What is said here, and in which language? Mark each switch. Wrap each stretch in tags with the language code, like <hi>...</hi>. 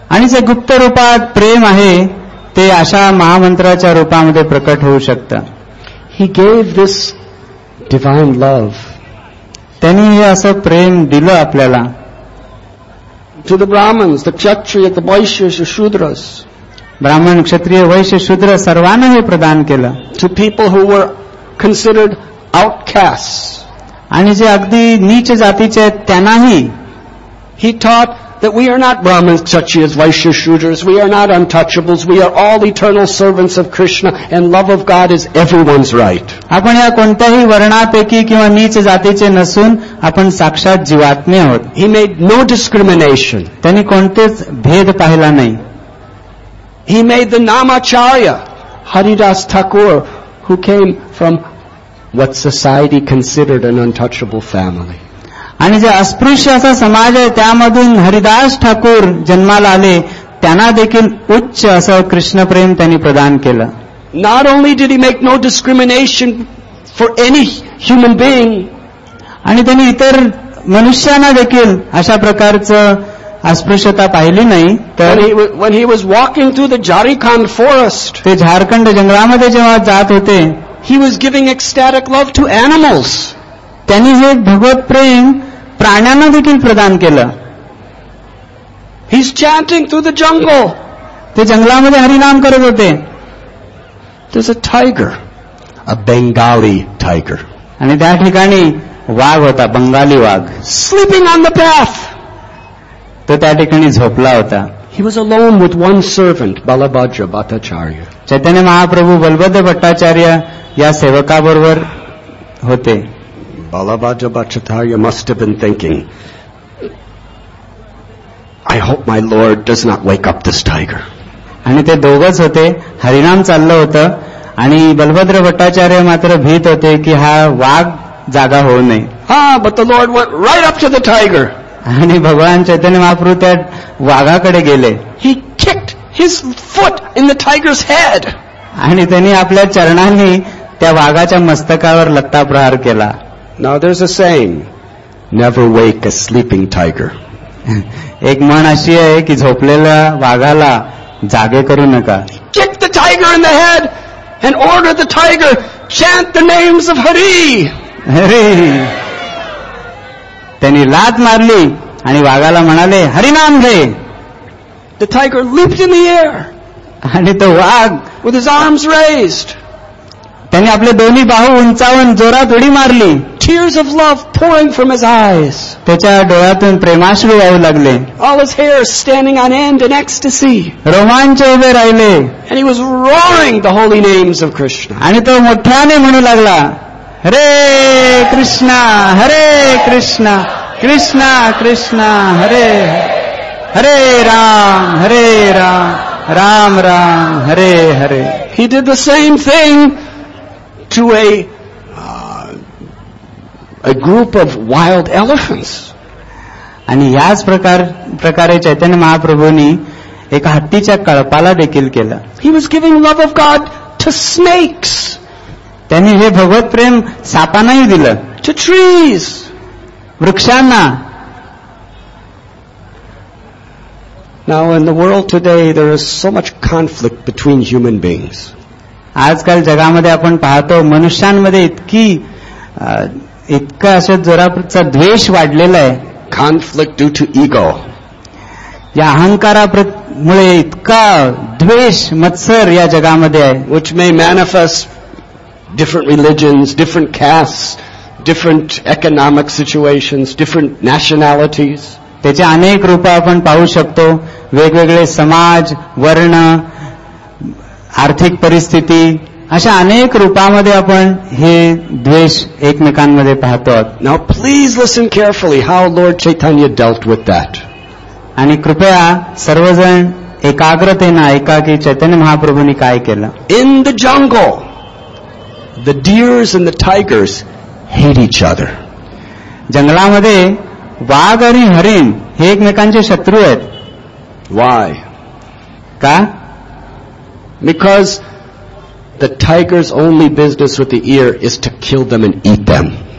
<mr>जे गुप्त रूपात प्रेम आहे ते अशा महामंत्राच्या रूपामध्ये प्रकट होऊ शकतं.</mr> <en>he gave this divine love,</en> <mr>त्यांनी हे असं प्रेम दिलं आपल्याला.</mr> <en>to the Brahmins, the Kshatriya, the Vaishya, Shudras,</en> <mr>ब्राह्मण क्षत्रिय वैश्य शूद्र सर्वांना हे प्रदान केलं.</mr> <en>to people who were considered outcaste,</en> <mr>आणि जे अगदी नीच जातीचे आहेत त्यांनाही.</mr> <en>He taught that we are not Brahmins, Kshatriyas, Vaishyas, Shudras. We are not untouchables. We are all eternal servants of Krishna, and love of God is everyone's right.</en> <mr>आपण या कोणत्याही वर्णापैकी किंवा नीच जातीचे नसून आपण साक्षात जीवात्मे आहोत.</mr> <en>He made no discrimination.</en> <mr>त्याने कोणतेच भेद पाहिला नाही.</mr> <en>He made the Namacharya, Haridas Thakur, who came from what society considered an untouchable family.</en> <mr>आणि जे अस्पृश्य असा समाज आहे त्यामधून हरिदास ठाकूर जन्माला आले, त्यांना देखील उच्च असं कृष्णप्रेम त्यांनी प्रदान केलं.</mr> <en>not only did he make no discrimination for any human being,</en> <mr>आणि त्यांनी इतर मनुष्यांना देखील अशा प्रकारचं अस्पृश्यता पाहिली नाही.</mr> <en>तर when he was walking through the Jharkhand forest,</en> <mr>ते झारखंड जंगलामध्ये जेव्हा जात होते,</mr> <en>He was giving ecstatic love to animals.</en> <mr>त्यांनी हे भगवत प्रेम प्राण्यांना देखील प्रदान केलं.</mr> <en>he is chanting through the jungle,</en> <mr>ते जंगलामध्ये हरिनाम करत होते.</mr> <en>There's a tiger, a Bengali tiger.</en> <mr>आणि त्या ठिकाणी वाघ होता, बंगाली वाघ.</mr> <en>sleeping on the path,</en> <mr>तो त्या ठिकाणी झोपला होता.</mr> <en>He was alone with one servant, Balabhadra Bhattacharya.</en> <mr>Chaitanya Mahaprabhu Balabhadra Bhattacharya या सेवकाबरोबर होते.</mr> <en>Balabhadra Bhattacharya must have been thinking, I hope my Lord does not wake up this tiger.</en> <mr>आणि ते दोघच होते, हरिनाम चाललं होतं आणि बलभद्र भट्टाचार्य मात्र भीत होते की हा वाघ जागा होऊ नये.</mr> <en>हा, but the Lord went right up to the tiger.</en> <mr>आणि भगवान चैतन्य महाप्रभू त्या वाघाकडे गेले.</mr> <en>He kicked his foot in the tiger's head.</en> <mr>आणि त्यांनी आपल्या चरणांनी त्या वाघाच्या मस्तकावर लट्टा प्रहार केला.</mr> <en>Now there's a saying, never wake a sleeping tiger.</en> <mr>एक म्हण अशी आहे की झोपलेल्या वाघाला जागे करू नका.</mr> <en>Kick the tiger in the head and order the tiger, chant the names of Hari.</en> <mr>Hari. त्यांनी लात मारली आणि वाघाला म्हणाले हरिनाम घे.</mr> <en>The tiger leaped in the air.</en> <mr>आणि तो वाघ</mr> <en>with his arms raised.</en> <mr>त्यांनी आपले दोन्ही बाहू उंचावून जोरात उडी मारली.</mr> <en>Tears of love pouring from his eyes.</en> <mr>त्याच्या डोळ्यातून प्रेमाश्रू वाहू लागले.</mr> <en>All his hair standing on end in ecstasy.</en> <mr>रोमांच उभे राहिले.</mr> <en>And he was roaring the holy names of Krishna.</en> <mr>आणि तो मोठ्याने म्हणू लागला, हरे कृष्णा, हरे कृष्णा, कृष्णा कृष्णा, हरे हरे राम, हरे Ram, Ram Ram, Hare Hare.</mr> <en>He did the same thing to a group of wild elephants.</en> <mr>आणि याच प्रकारे चैतन्य महाप्रभूंनी एका हत्तीच्या कळपाला देखील केलं.</mr> <en>He was giving love of God to snakes.</en> <mr>त्यांनी हे भगवत प्रेम सापांनाही दिलं.</mr> <en>To trees.</en> <mr>वृक्षांना.</mr> <en>Now in the world today there is so much conflict between human beings.</en> <mr>आजकाल जगामध्ये आपण पाहतो मनुष्यांमध्ये इतका असं जोराचा द्वेष वाढलेला आहे.</mr> <en>conflict due to ego,</en> <mr>या अहंकारामुळे इतका द्वेष मत्सर या जगामध्ये आहे.</mr> <en>Which may manifest different religions, different caste, different economic situation, different nationalities.</en> <mr>त्याचे अनेक रूप आपण पाहू शकतो, वेगवेगळे समाज, वर्ण, आर्थिक परिस्थिती, अशा अनेक रूपांमध्ये आपण हे द्वेष एकमेकांमध्ये पाहतो.</mr> <en>Now please listen carefully how Lord Chaitanya dealt with that.</en> <mr>आणि कृपया सर्वजण एकाग्रतेनं ऐका की चैतन्य महाप्रभूंनी काय केलं.</mr> <en>In the jungle the deers and the tigers hate each other.</en> <mr>जंगलामध्ये वाघ आणि हरिण हे एकमेकांचे शत्रू आहेत.</mr> <en>why</en> <mr>का?</mr> <en>Because the tiger's only business with the ear is to kill them and eat them.</en>